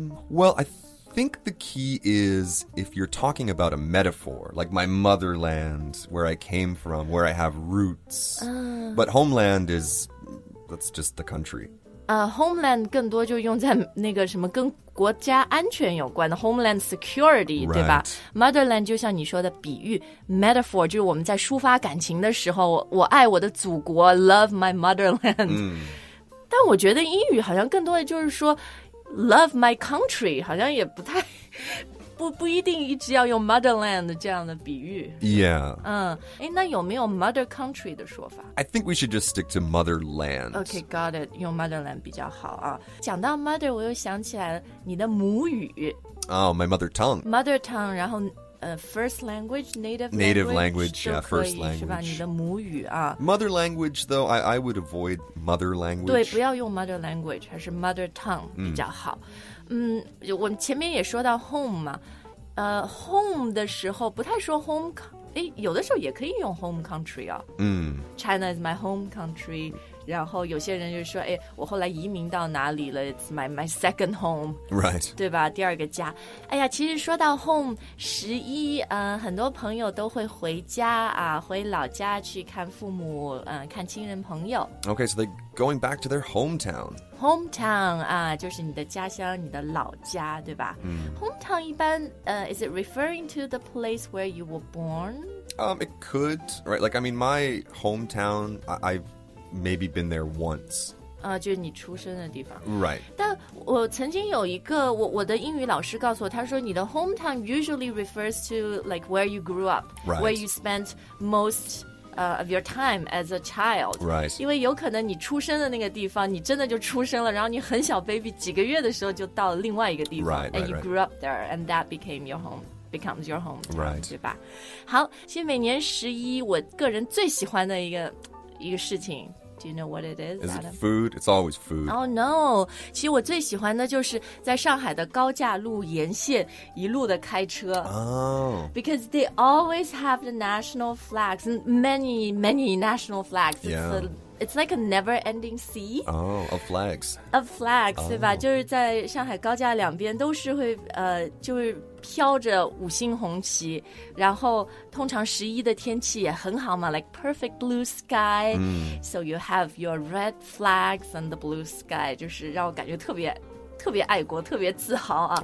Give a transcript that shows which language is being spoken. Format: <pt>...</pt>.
<en>Well, I think the key is if you're talking about a metaphor, like my motherland, where I came from, where I have roots. But homeland is, that's just the country.</en> <zh>Homeland 更多就用在那个什么跟国家安全有关的 homeland security,、</zh> <en>right.</en> <zh>对吧 ？Motherland 就像你说的比喻 metaphor, 就是我们在抒发感情的时候，我爱我的祖国 ，</zh> <en>love my motherland.、</en> <zh>但我觉得英语好像更多的就是说。</zh> <en>Love my country,</en> <zh>好像也不太不一定一直要用 motherland 这样的比喻。</zh> <en>Yeah.</en> <zh>那有没有 mother country 的说法？</zh> <en>I think we should just stick to motherland. Okay, got it.</en> <zh>用 motherland 比较好啊。讲到 mother, 我又想起来你的母语。</zh> <en>Oh, my mother tongue. Mother tongue, 然后first language, native language. Native language, yeah, first language.</en> <zh>是吧，你的母语啊。</zh> <en>Mother language, though, I would avoid mother language.</en> <zh>对，不要用 mother language, 还是 mother tongue 比较好。我们前面也说到 home 嘛。 Home 的时候不太说 home, 有的时候也可以用 home country 啊。</zh> <en>China is my home country,</en> <zh>然后有些人就说哎，我后来移民到哪里了</zh> <en>It's my second home Right</en> <zh>对吧第二个家哎呀其实说到 home 十一、很多朋友都会回家啊，回老家去看父母、看亲人朋友</zh> <en>Okay so they're going back to their hometown</en> <zh>Hometown, 啊、就是你的家乡你的老家对吧、 mm. Hometown 一般、</zh> <en>is it referring to the place where you were born?、 it could, right? Like, I mean, my hometown, I've maybe been there once.</en> <zh>就是你出生的地方</zh> <en>Right</en> <zh>但我曾经有一个 我的英语老师告诉我他说你的</zh> <en>hometown usually refers to like where you grew up、 right. Where you spent mostof your time as a child. Right.</en> <zh>因为有可能你出生的那个地方你真的就出生了然后你很小 baby 几个月的时候就到了另外一个地方</zh> <en>right, And right, you grew up there and that became your home, becomes your home. Right.</en> <zh>对吧好其实每年十一我个人最喜欢的一个事情</zh> <en>Do you know what it is? Is it food? It's always food. Oh no.</en> <zh>其实我最喜欢的就是在上海的高架路沿线一路的开车</zh> <en>Oh. Because they always have the national flags, many, many national flags. Yeah. It's like a never-ending sea. Oh, of flags. Of flags,、oh. 对吧？</en> <zh>就是在上海高架两边都是会就是飘着五星红旗。然后通常十一的天气也很好嘛 ，</zh> <en>like perfect blue sky.、 Mm. So you have your red flags and the blue sky,</en> <zh>就是让我感觉特别特别爱国，特别自豪啊。</zh>